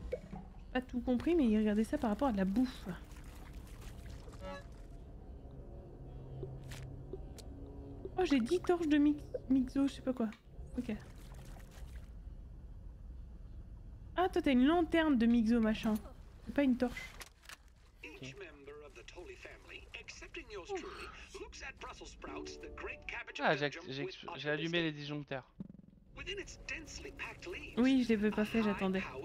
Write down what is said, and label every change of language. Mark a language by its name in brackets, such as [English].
[French] J'ai pas tout compris, mais il regardait ça par rapport à de la bouffe. Oh, j'ai 10 torches de mixo, je sais pas quoi. Ok. Ah, toi t'as une lanterne de mixo machin. C'est pas une torche. [English] Each member of the Tolly family, excepting yours truly, looks at Brussels sprouts, the great cabbage of Belgium. [French] Ah, j'ai allumé les disjoncteurs. [English] Within its densely packed leaves, [French] oui, je les veux pas fait, j'attendais.